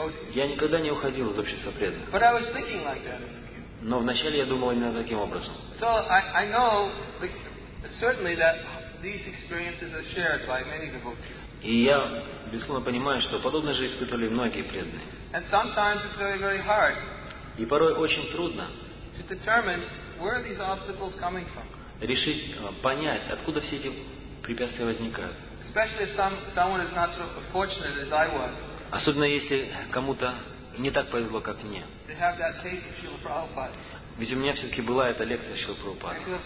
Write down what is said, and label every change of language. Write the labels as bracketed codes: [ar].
[ru] Я никогда не уходил из общества преданных. [en] But I was thinking like that. [ru] Но вначале я думал именно таким образом. [en] So I know certainly that these experiences are shared by many devotees. [ru] И я безусловно понимаю, что подобное же испытывали многие преданные. [en] And sometimes it's very, very hard. [ru] И порой очень трудно. [en] To determine where these obstacles coming from. [ru] Решить, понять, откуда все эти препятствия возникают. [en] Especially if someone is not so fortunate as I was. [ru] Особенно если кому-то не так повезло, как мне. [en] To have that tape of Srila Prabhupada. [ru] Ведь у меня все-таки была эта лекция Шрилы Прабхупады.